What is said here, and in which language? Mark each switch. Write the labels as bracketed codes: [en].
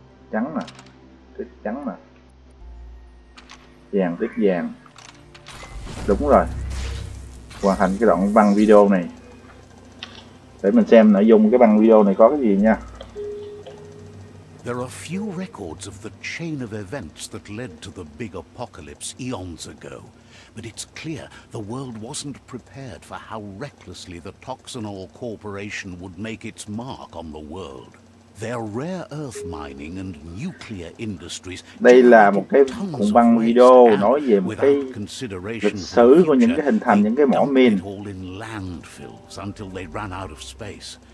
[vi] Trắng nè, tiếp trắng nè. Vàng tiếp vàng. Đúng rồi. Hoàn thành cái đoạn băng video này. Để mình xem nội dung cái băng video này có cái gì nha. [en] There are few records of the chain of events that led to the big apocalypse eons ago, but it's clear the world wasn't prepared for how recklessly the Toxinol Corporation would make its mark on the world. Their rare earth mining and nuclear industries. [vi] Đây là một cái cuộn băng video nói về một cái lịch sử của những cái hình thành những cái mỏ mìn. [en] They dumped it in landfills until they ran out of space.